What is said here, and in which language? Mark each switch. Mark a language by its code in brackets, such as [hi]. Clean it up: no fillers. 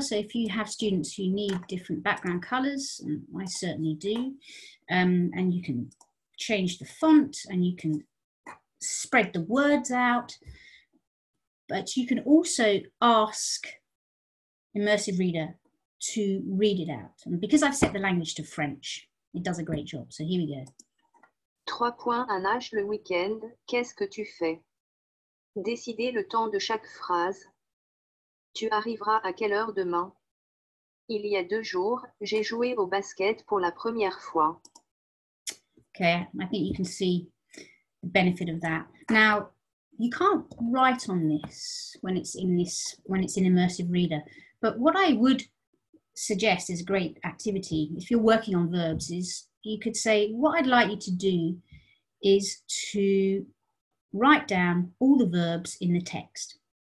[en] So if you have students who need different background colors, and I certainly do, and you can change the font and you can spread the words out. But you can also ask Immersive Reader to read it out. And because I've set the language to French, it does a great job. So here we go. [fr] 3 points à nage le week-end, qu'est-ce que tu fais? Décider le temps de chaque phrase. Tu arriveras à quelle heure demain? Il y a deux jours, j'ai joué au basket pour la première fois. [en] Okay, I think you can see the benefit of that. Now, you can't write on this when it's in this, when it's in Immersive Reader. But what I would suggest is a great activity, if you're working on verbs, is you could say, what I'd like you to do is to write down all the verbs in the text.